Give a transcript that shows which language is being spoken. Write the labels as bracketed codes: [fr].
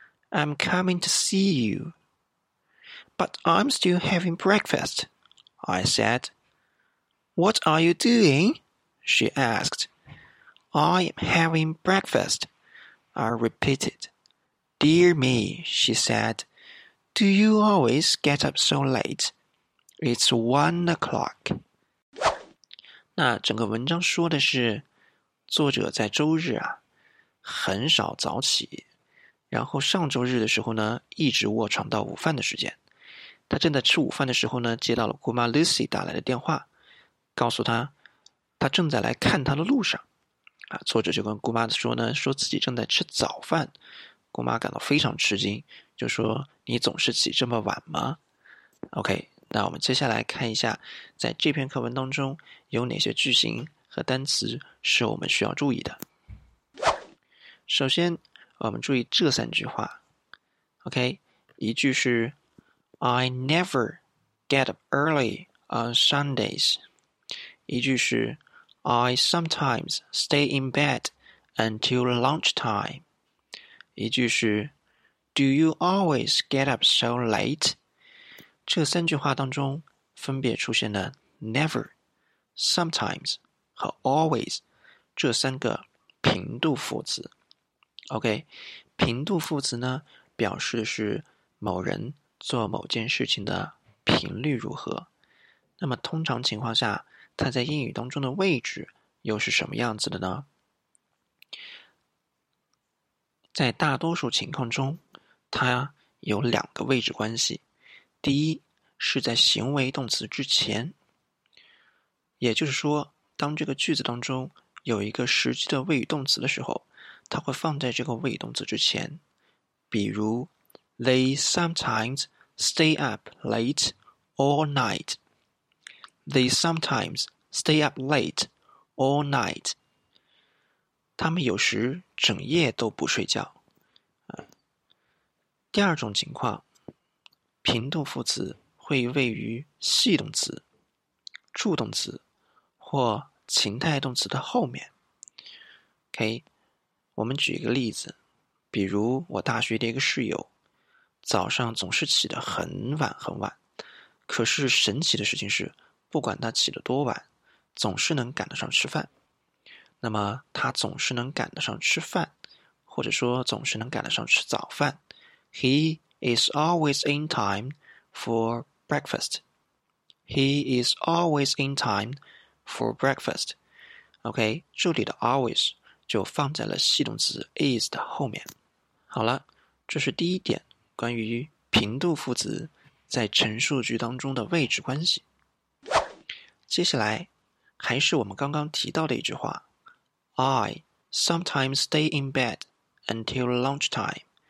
[en] I'm coming to see you. But I'm still having breakfast, I said. What are you doing? She asked. I'm having breakfast, I repeated. Dear me, she said. Do you always get up so late? It's 1 o'clock. [zh] 那整个文章说的是，作者在周日啊，很少早起，然后上周日的时候呢，一直卧床到午饭的时间。他正在吃午饭的时候呢，接到了姑妈 Lucy 打来的电话，告诉他他正在来看他的路上。啊，作者就跟姑妈说呢，说自己正在吃早饭。姑妈感到非常吃惊，就说你总是起这么晚吗？ OK， 那我们接下来看一下在这篇课文当中有哪些句型和单词是我们需要注意的。首先我们注意这三句话。 [en] OK， [zh] 一句是 [en] I never get up early on Sundays. [zh] 一句是 [en] I sometimes stay in bed until lunchtime. [zh] 一句是 [en] Do you always get up so late? [zh] 这三句话当中分别出现了 never, sometimes 和 always 这三个频度副词。 OK， 频度副词呢表示的是某人做某件事情的频率如何，那么通常情况下它在英语当中的位置又是什么样子的呢？在大多数情况中它有两个位置关系，第一是在行为动词之前，也就是说当这个句子当中有一个实际的谓语动词的时候，它会放在这个谓语动词之前，比如 [en] They sometimes stay up late all night. They sometimes stay up late all night. [zh] 他们有时整夜都不睡觉。第二种情况，频度副词会位于系动词、助动词或情态动词的后面。 OK， 我们举一个例子，比如我大学的一个室友早上总是起得很晚很晚，可是神奇的事情是不管他起得多晚总是能赶得上吃饭。那么他总是能赶得上吃饭，或者说总是能赶得上吃早饭， [en] He is always in time for breakfast. He is always in time for breakfast. [zh] OK， 这里的 always 就放在了系动词 is 的后面。好了，这是第一点，关于频度副词在陈述句当中的位置关系。接下来还是我们刚刚提到的一句话， [en] I sometimes stay in bed until lunchtime。